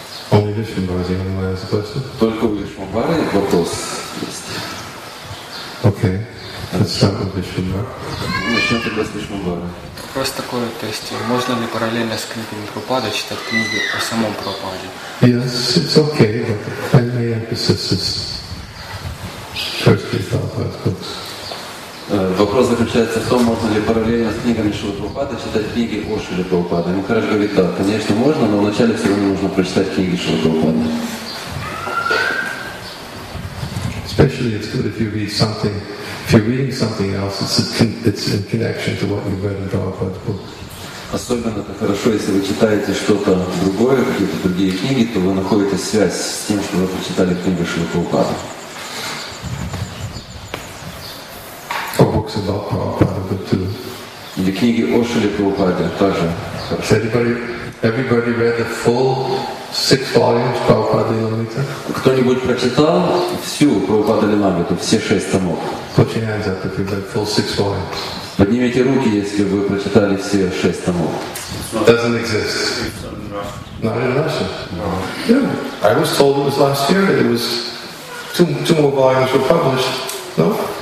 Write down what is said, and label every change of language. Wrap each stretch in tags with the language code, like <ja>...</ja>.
<ru>Только у Вишвамбары есть вопрос. Окей. Начнем тогда с Вишвамбары. Вопрос такой, то есть можно ли параллельно с книгами Прабхупады читать книги о самом Прабхупаде?</ru> <en>Yes, it's okay, but the primary emphasis is first be Prabhupada's books.</en> <ru>Вопрос заключается в том, можно ли параллельно с книгами Шрилы Прабхупады читать книги о Шриле Прабхупаде. Махарадж говорит, да, конечно, можно, но вначале все равно нужно прочитать книги Шрилы Прабхупады.</ru> <en>Especially it's good if you read something. If you're reading something else, it's in connection to what you've read in Prabhupada's book.</en> <ru>Особенно это хорошо, если вы читаете что-то другое, какие-то другие книги, то вы находите связь с тем, что вы прочитали книгу Шрила Прабхупады.</ru> <en>Or books about Prabhupada, but too.</en> <ru>Или книги о Шриле Прабхупаде тоже.</ru> <en>Everybody read the full 6 volumes of Prabhupada Lilamrita?</en> <ru>Кто-нибудь прочитал всю Прабхупада Лиламриту, все 6 томов?</ru> <en>Put your hands up if you read full 6 volumes.</en> <ru>Поднимите руки, если вы прочитали все 6 томов.</ru> <en>Doesn't exist. Not in Russia. No. Yeah. I was told it was last year and it was two more volumes were published. No?</en>